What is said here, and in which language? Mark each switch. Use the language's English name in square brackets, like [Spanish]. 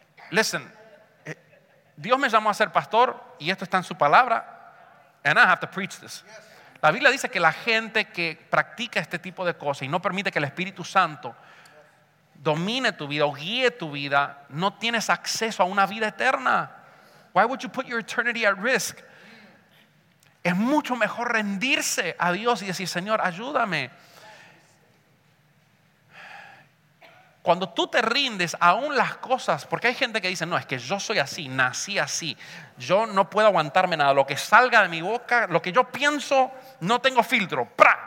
[English] Listen, [Spanish] Dios me llamó a ser pastor y esto está en su palabra. [English] And I have to preach this. [Spanish] La Biblia dice que la gente que practica este tipo de cosas y no permite que el Espíritu Santo domine tu vida o guíe tu vida, no tienes acceso a una vida eterna. [English] Why would you put your eternity at risk? [Spanish] Es mucho mejor rendirse a Dios y decir: Señor, ayúdame. Cuando tú te rindes aún las cosas, porque hay gente que dice: no, es que yo soy así, nací así, yo no puedo aguantarme nada, lo que salga de mi boca, lo que yo pienso, no tengo filtro, ¡prá!